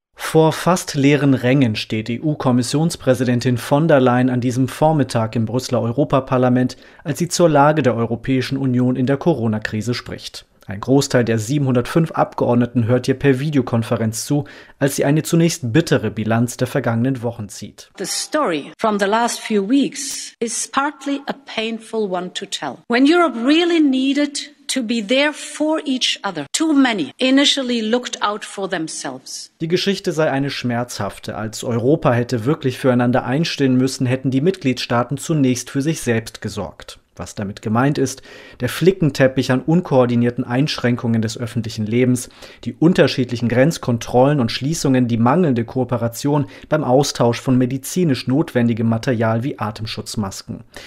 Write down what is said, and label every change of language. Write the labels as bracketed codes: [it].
[de] Vor fast leeren Rängen steht EU-Kommissionspräsidentin von der Leyen an diesem Vormittag im Brüsseler Europaparlament, als sie zur Lage der Europäischen Union in der Corona-Krise spricht. Ein Großteil der 705 Abgeordneten hört ihr per Videokonferenz zu, als sie eine zunächst bittere Bilanz der vergangenen Wochen zieht. [en] The story from the last few weeks is partly a painful one to tell. When Europe really needed to be there for each other, too many initially looked out for themselves. [de] Die Geschichte sei eine schmerzhafte. Als Europa hätte wirklich füreinander einstehen müssen, hätten die Mitgliedstaaten zunächst für sich selbst gesorgt. Was damit gemeint ist, der Flickenteppich an unkoordinierten Einschränkungen des öffentlichen Lebens, die unterschiedlichen Grenzkontrollen und Schließungen, die mangelnde Kooperation beim Austausch von medizinisch notwendigem Material wie Atemschutzmasken.